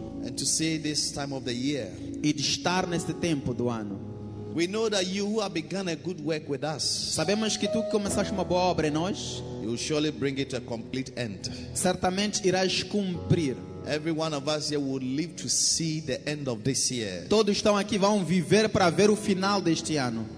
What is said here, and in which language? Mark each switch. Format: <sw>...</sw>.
<en>And to see this time of the year.</en> <pt>E de estar neste tempo do ano.</pt> <en>We know that you who have begun a good work with us.</en> <pt>Sabemos que tu começaste uma boa obra em nós.</pt> <en>You will surely bring it to a complete end.</en> <pt>Certamente irás cumprir.</pt> <en>Every one of us here will live to see the end of this year.</en> <pt>Todos estão aqui vão viver para ver o final deste ano.</pt>